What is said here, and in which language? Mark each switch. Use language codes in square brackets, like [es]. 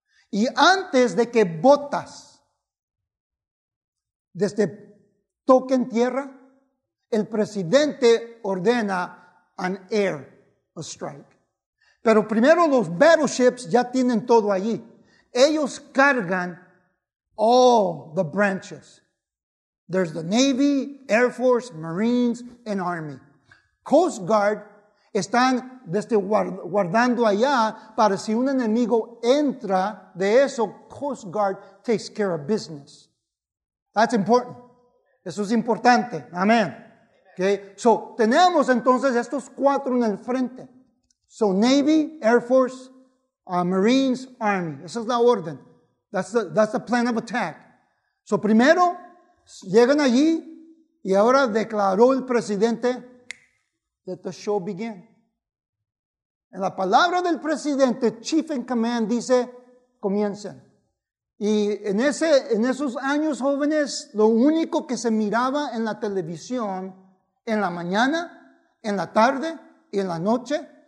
[es] Y antes de que botas, desde toque en tierra, el presidente ordena [en] an air strike. [es] Pero primero los battleships ya tienen todo allí. Ellos cargan [en] all the branches. There's the Navy, Air Force, Marines, and Army. [es] Coast Guard están desde guardando allá para si un enemigo entra de eso, Coast Guard [en] takes care of business. That's important. [es] Eso es importante. Amén. Okay. So, tenemos entonces estos cuatro en el frente. [en] So, Navy, Air Force, Marines, Army. [es] Esa es la orden. [en] That's the plan of attack. [es] So, primero, llegan allí y ahora declaró el presidente, [en] let the show begin. [es] En la palabra del presidente, Chief in Command, dice, comiencen. Y en esos años jóvenes, lo único que se miraba en la televisión, en la mañana, en la tarde y en la noche,